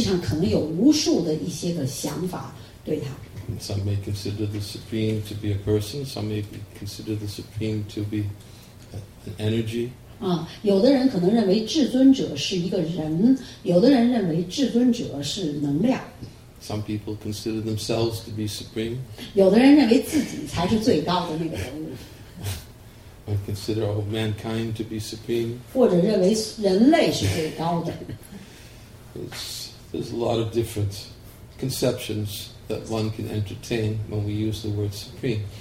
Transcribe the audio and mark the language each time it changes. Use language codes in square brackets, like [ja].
[zh] 那当然，这世上对于至尊者，实际上可能有无数的一些个想法对他。 [en] Some may consider the Supreme to be a person, some may consider the Supreme to be an energy. [zh] 有的人可能认为至尊者是一个人，有的人认为至尊者是能量。 [en] Some people consider themselves to be Supreme. [zh] 有的人认为自己才是最高的那个人物。 [en] Or consider all mankind to be Supreme. [zh] 或者认为人类是最高的。 [en] There's a lot of different conceptions that one can entertain when we use the word supreme.